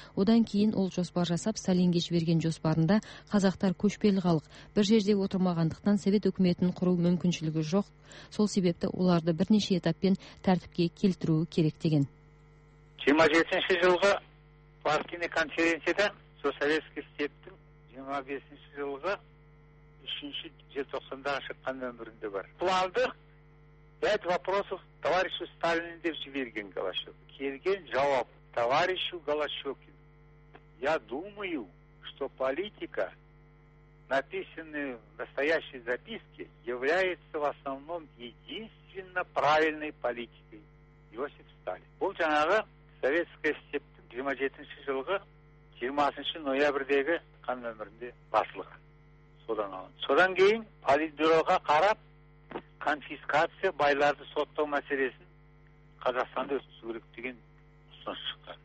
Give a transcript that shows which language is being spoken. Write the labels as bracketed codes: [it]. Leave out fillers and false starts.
[kk] Одан кейін ол жоспар жасап, Сталинге жіберген жоспарында қазақтар көшпелі халық, бір жерде отырмағандықтан совет өкіметін құру мүмкіншілігі жоқ. Сол себепті оларды бірнеше этаппен тәртіпке келтіру керек деген. 27 жылғы партийный конференцияда Советский Советтің 25 жылғы 3-ші желтоқсандағы шыққан нөмірінде бар. Планды [ru] 5 вопросов товарищу Сталину [kk] деп жіберген Голощекин. Келген жауап: [ru] товарищу Голощекину, я думаю, что политика, написанная в настоящей записке, является в основном единственно правильной политикой. Иосиф Сталин. [kk] Бұл жаңағы Советская стептің 27 жылғы 26 ноябрьдегі қан нөмірінде басылған. Содан кейін политбюроға қарап, конфискация байларды соттау мәселесін Қазақстанда өткізу керек деген ұсыныс шыққан.